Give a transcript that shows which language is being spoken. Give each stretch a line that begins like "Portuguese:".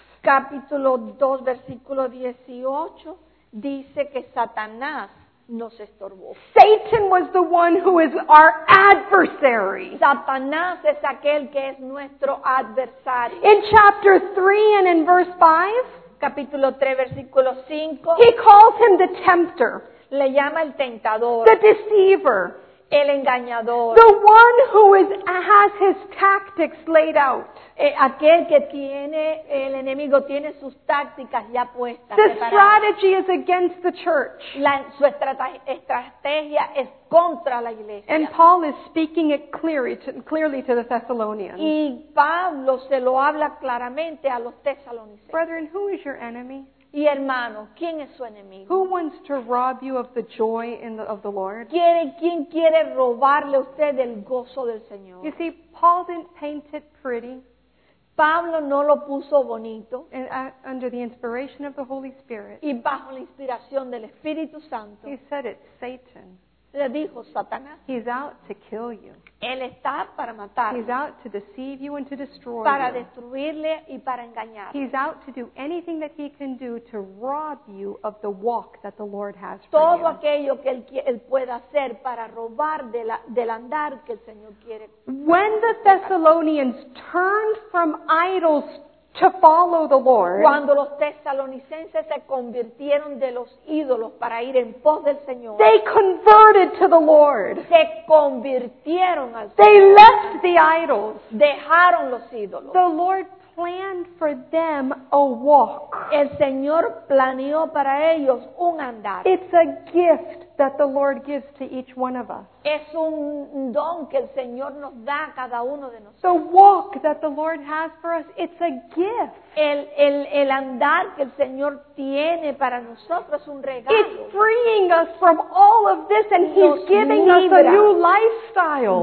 Spanish: Capítulo 2, versículo 18, dice que Satanás nos estorbó.
English: Satan was the one who is our adversary.
Spanish: Satanás es aquel que es nuestro adversario.
English: In chapter 3 and in verse 5,
Spanish: capítulo 3, versículo 5,
English: he calls him the tempter.
Spanish: Le llama el tentador.
English: The deceiver.
Spanish: El engañador.
English: The one who has his tactics laid out.
Spanish: Aquel que tiene, el enemigo tiene sus tácticas ya puestas.
English: The strategy is against the church.
Spanish: Su estrategia es contra la iglesia.
English: And Paul is speaking it clearly to the Thessalonians.
Spanish: Y Pablo se lo habla claramente a los tesalonicenses.
English: Brethren, who is your enemy?
Spanish: Y hermano, ¿quién es su enemigo?
English: Who wants to rob you of the joy of the Lord?
Spanish: ¿Quién quiere robarle a usted del gozo del Señor?
English: You see, Paul didn't paint it pretty.
Spanish: Pablo no lo puso bonito.
English: And, under the inspiration of the Holy Spirit.
Spanish: Y bajo la inspiración del Espíritu Santo.
English: He said it's Satan.
Spanish: Le dijo Satanás.
English: He's out to kill you.
Spanish: Él está para matar.
English: He's out to deceive you and to destroy
Spanish: para
English: you.
Spanish: Destruirle y para engañar.
English: He's out to do anything that he can do to rob you of the walk that the Lord has
Spanish: todo
English: for you.
Spanish: Todo aquello que él pueda hacer para robar del andar que el Señor quiere.
English: When the Thessalonians turned from idols to follow the Lord.
Spanish: Cuando los tesalonicenses se convirtieron de los ídolos para ir en pos del Señor.
English: They converted to the Lord.
Spanish: Se convirtieron al Señor.
English: They left the idols.
Spanish: Dejaron los ídolos.
English: The Lord planned for them a walk.
Spanish: El Señor planeó para ellos un andar.
English: It's a gift that the Lord gives to each one of us.
Spanish: Es un don que el Señor nos da a cada uno de nosotros.
English: The walk that the Lord has for us, it's a gift.
Spanish: El andar que el Señor tiene para nosotros es un regalo.
English: It's freeing us from all of this and He's giving us a new lifestyle.